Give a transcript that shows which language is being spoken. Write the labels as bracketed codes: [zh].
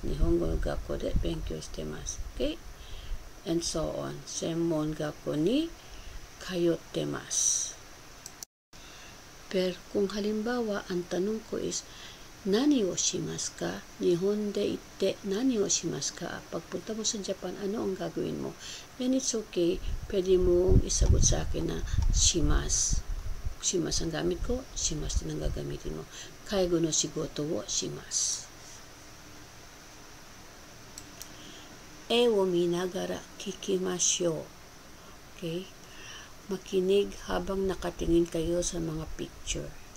[ja] 日本語学校で勉強してます。 [en] Okay? And so on. [ja] 専門学校に通ってます。 [tl] Per kung halimbawa, ang tanong ko is, [ja] 何をしますか? 日本で行って何をしますか? [tl] pagpunta mo sa Japan, ano ang gagawin mo? [en] And it's okay, [tl] pwede mong isagot sa akin na shimasu. [ja] しますが、みこしますと長がみでも介護の仕事をします。絵を見ながら聞きましょう。 [en] Okay? [tl] Makinig habang nakatingin kayo sa mga picture.